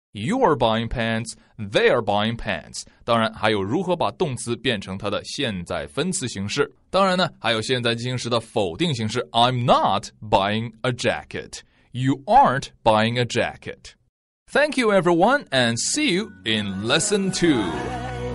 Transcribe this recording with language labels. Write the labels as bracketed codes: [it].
[en] You are buying pants, they are buying pants. [zh] 当然还有如何把动词变成它的现在分词形式。当然呢，还有现在进行时的否定形式。 [en] I'm not buying a jacket. You aren't buying a jacket. Thank you everyone and see you in lesson two.